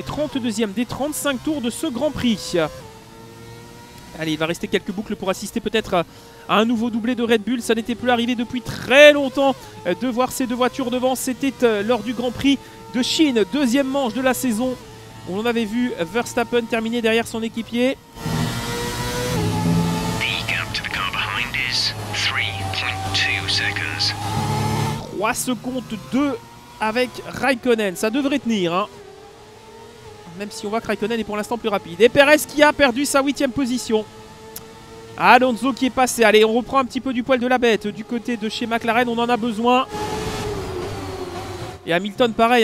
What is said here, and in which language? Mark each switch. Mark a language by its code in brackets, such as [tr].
[fr] 32e des 35 tours de ce Grand Prix. Allez, il va rester quelques boucles pour assister peut-être à un nouveau doublé de Red Bull. Ça n'était plus arrivé depuis très longtemps de voir ces deux voitures devant. C'était lors du Grand Prix de Chine, deuxième manche de la saison. On en avait vu Verstappen terminer derrière son équipier. [en] The gap to the car behind is 3.2 seconds. [fr] 3 secondes 2 avec Raikkonen, ça devrait tenir hein. Même si on voit que Raikkonen est pour l'instant plus rapide. Et Perez qui a perdu sa 8e position. Alonso qui est passé. Allez, on reprend un petit peu du poil de la bête. Du côté de chez McLaren, on en a besoin. Et Hamilton, pareil.